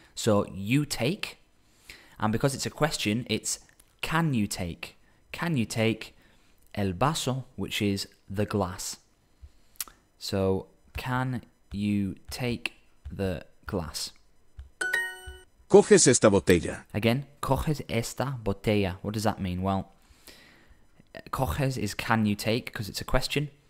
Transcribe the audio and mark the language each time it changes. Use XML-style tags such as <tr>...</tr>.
<en>So you take. And because it's a question, it's can you take? Can you take el vaso, which is the glass? So can you take the glass?</en> <es>Coges esta botella. Again, coges esta botella.</es> <en>What does that mean? Well, coges is can you take, because it's a question.</en>